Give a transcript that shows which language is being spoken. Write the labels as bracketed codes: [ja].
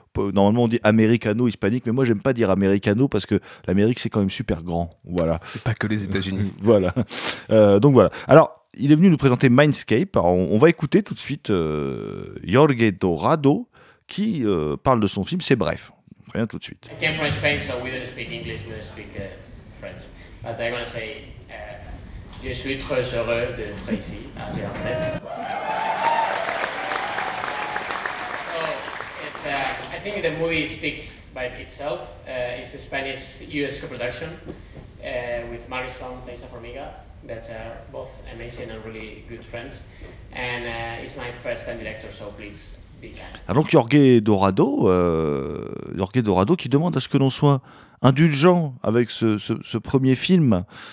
[fr] Normalement, on dit américano-hispanique, mais moi, j'aime pas dire américano parce que l'Amérique, c'est quand même super grand. Voilà. C'est pas que les États-Unis. Voilà. Donc, voilà. Alors, il est venu nous présenter Mindscape. Alors, on va écouter tout de suite Jorge Dorado qui parle de son film. C'est bref. Rien tout de suite. [en] I came from Spain, so we don't speak English, we don't speak French. But they're going to say, [fr] je suis très heureux d'être ici, à Gérard May. [en] So, it's, I think the movie speaks by itself. It's a Spanish-US co-production with Marcus Long and Teresa Formiga, that are both amazing and really good friends. And it's my first time director, so please be kind. [fr] Ah, donc Jorge Dorado qui demande à ce que l'on soit indulgent avec ce premier film.